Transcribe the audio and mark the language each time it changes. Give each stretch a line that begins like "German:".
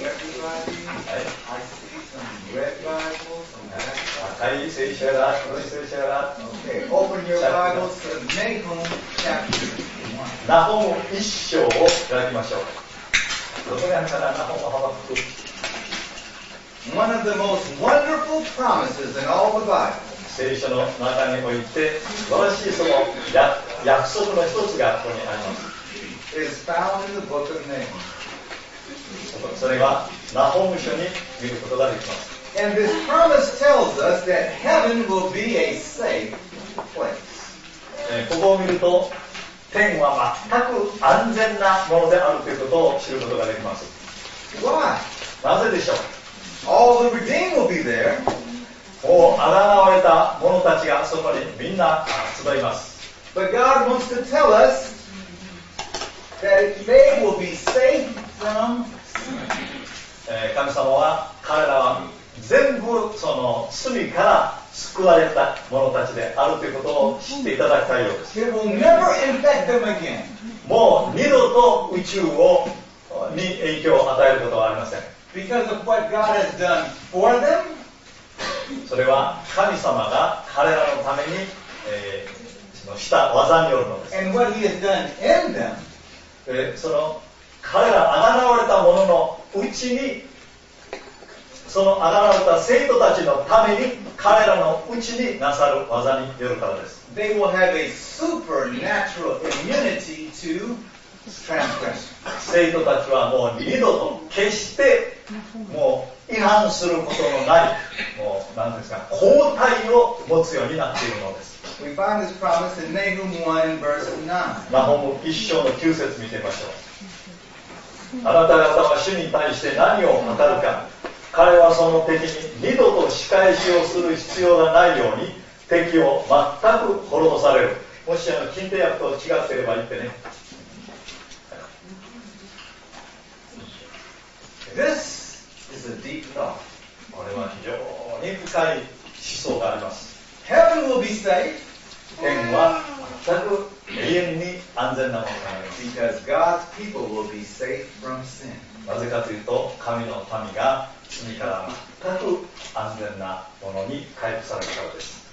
English: everybody, I see some red Bibles, some black Bibles. Open your Bibles to Nahum chapter
Japanese: 1. ナホム一章を開きましょう。どこにあるかな、ナホムハバクク。
English: One of the most wonderful promises in all the Bible.
Japanese: 聖書の中において素晴らしいその約束の一つがここにあります。
English: Is found in the book of Nahum.
Japanese: それはナホム書に見ることができます。
English: And this promise tells us that heaven will be a safe place.
Japanese: ここを見ると天は全く安全なものであるということを知ることができます。
English: Why?
Japanese: なぜでしょう。
English: All the redeemed will be there.
Japanese: もう贖われた者たちがそこにみんな集います。
English: But God wants to tell us that they will be safe from sin.
Japanese: 神様は彼らは全部その罪から救われた者たちであるということを知っていただきたいようです。
English: They will never infect them again.
Japanese: もう二度と宇宙をに影響を与えることはありません。
English: Because of what God has done for them,
Japanese: それは神様が彼らのために、した技によるのです。
English: And what he has done in them.
Japanese: その彼らあがなわれた者のうちに、そのあがなわれた生徒たちのために彼らのうちになさる技によるからです。
English: They will have a supernatural immunity to transgression.
Japanese: 生徒たちはもう二度と決してもう違反することのない、もう何ですか、抗体を持つようになっているのです。
English: We find this promise in Nahum 1 verse 9.
Japanese: ナホム1章の9節見てみましょう。あなた方は主に対して何を語るか、彼はその敵に二度と仕返しをする必要がないように敵を全く滅ぼされる。もし金手訳と違っていれば言ってね。
English: This is a deep thought.
Japanese: これは非常に深い思想があります。
English: Heaven will be safe.
Japanese: 天は全く永遠に安全なものになります。
English: Because God's people will be safe from sin.
Japanese: なぜかというと神の民が罪から全く安全なものに回復されるからです。